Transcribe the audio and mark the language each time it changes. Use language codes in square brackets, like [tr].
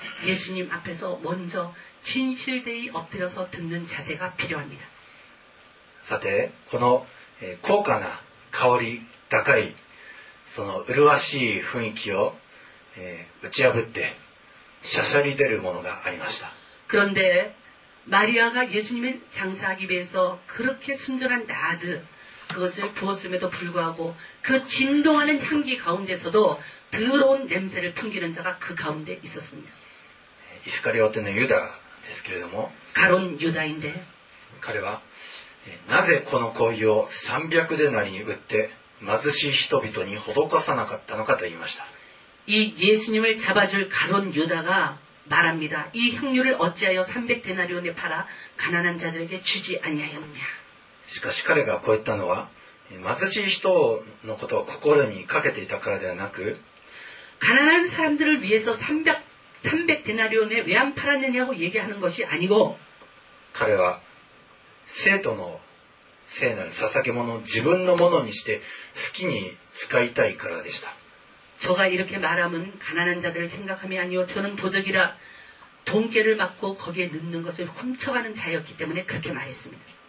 [ko] 예수님앞에서먼저진실되이엎드려서듣는자세가필요합니다 [ja] さてこの高価な香り高いその麗しい雰囲気を打ち破ってしゃしゃり出るものがありました [ko] 그런데마리아가예수님을장사하기위해서그렇게순전한나드그것을부었음에도불구하고그진동하는향기가운데서도더러운냄새를풍기는자가그가운데있었습니다 이스카리오트는유다 [ja] ですけれども [ko] 가론유다인데 [ja] 彼はなぜこの香油を300デナリに売って貧しい人々に施さなかったのかと言いました [ko] 이예수님을잡아줄가론유다가말합니다이향유를어찌하여300데나리온에팔아가난한자들에게주지아니하였냐 [ja] しかし彼がこう言ったのは貧しい人のことを心にかけていたからではなく [ko] 가난한사람들을위해서 300데나리온에왜안팔았느냐고얘기하는것이아니고 [ja] 彼は生徒の聖なる捧げ物を自分のものにして好きに使いたいからでした [ko] 저가이렇게말함은가난한자들을생각함이아니요저는도적이라돈깨를맞고거기에넣는것을훔쳐가는자였기때문에그렇게말했습니다